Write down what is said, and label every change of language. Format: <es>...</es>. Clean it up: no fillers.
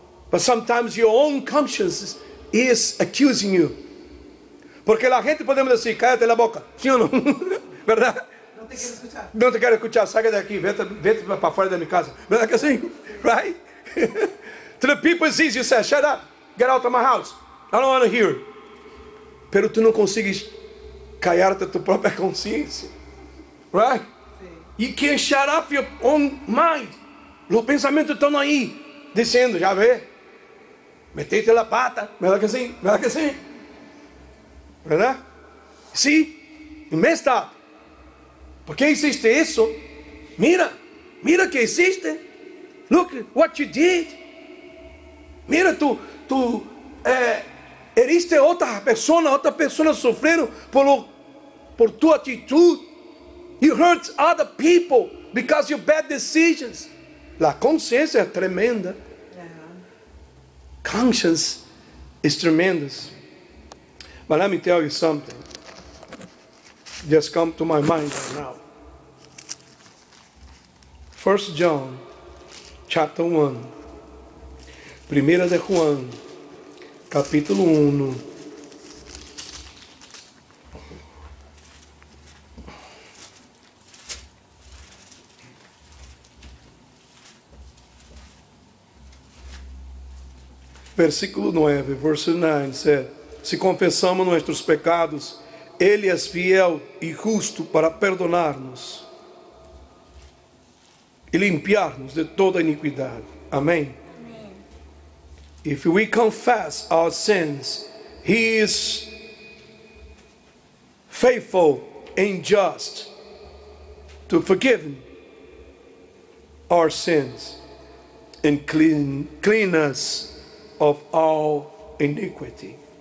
<en>But sometimes your own conscience is accusing you.</en> <pt>Porque a gente podemos dizer, cala-te a boca, sim ou não? Verdade? Não te quero escutar. Não te quero escutar, saia daqui, vem para fora da minha casa. Verdade que assim?</pt> <en>Right? To the people it's easy, you say, shut up, get out of my house. I don't want to hear.</en> <pt>Pero tu não consegues calar-te a tua própria consciência.</pt> <en>Right?</en> <pt>Sim.</pt> <en>You can't shut up your own mind.</en> <pt>Os pensamentos estão aí, dizendo, já vê? Metei-te a pata, verdade que assim? Verdade que assim? Verdade? Sim,</pt> <en>messed up.</en> <pt>Por que existe isso?</pt> <es>Mira, mira que existe.</es> <en>Look what you did.</en> <pt>Mira, tu eriste outra pessoa sofrendo por tua atitude.</pt> <en>You hurt other people because of your bad decisions.</en> <pt>A consciência é tremenda.</pt> <en>Conscience is tremendous. But let me tell you something. Just come to my mind right now. 1 John chapter 1.</en> <es>1 de Juan capítulo 1.</es> <pt>Versículo 9,</pt> <en>verse 9,</en> <pt>said, se confessamos nossos pecados, Ele é fiel e justo para perdonar-nos e limpar-nos de toda iniquidade. Amém?</pt> <en>If we confess our sins, He is faithful and just to forgive our sins and clean us of all iniquity.</en>